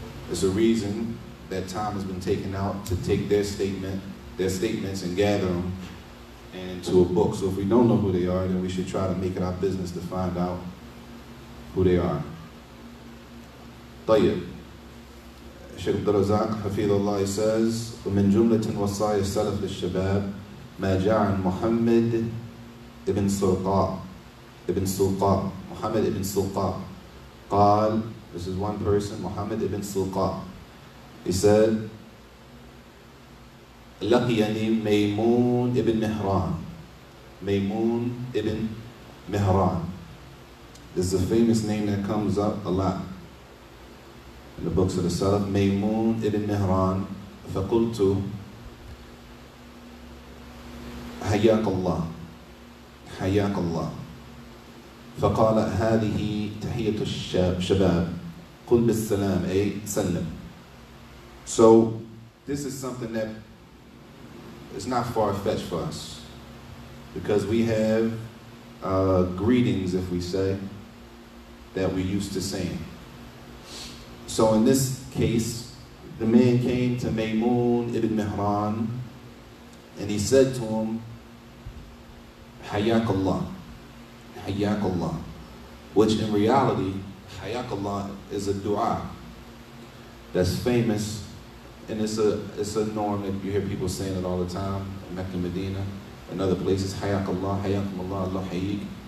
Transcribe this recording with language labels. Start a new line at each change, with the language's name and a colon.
English: It's a reason that time has been taken out to take their statements and gather them into a book. So if we don't know who they are, then we should try to make it our business to find out who they are.
Arabic: طيب.
English: Sheikh Abdul Razak Hafidhullah says,
Arabic: وَمِنْ جُمْلَةٍ وَصَّايَ السَّلَفِ لِلشَّبَابِ مَا جَعَ مُحَمَّدْ ابن سلقاء ابن سلقاء محمد ابن سلقاء قال,
English: this is one person,
Arabic: محمد ابن سلقاء,
English: he said,
Arabic: لقيني ميمون ابن مهران ميمون ابن مهران.
English: This is a famous name that comes up a lot in the books of the Salaf, ميمون ابن مهران.
Arabic: فقلت حياك الله حياك الله. فقال هذه تحية الشاب شباب قل بالسلام أي سلم.
English: So this is something that is not far fetched for us, because we have greetings, if we say, that we're used to saying. So in this case, the man came to Maymun ibn Mihran and he said to him, Hayakallah, Hayakallah, which in reality, Hayakallah is a dua that's famous, and it's a norm that you hear people saying it all the time, in Mecca, Medina, and other places, Hayakallah, Hayakumallah, Allah Hayik.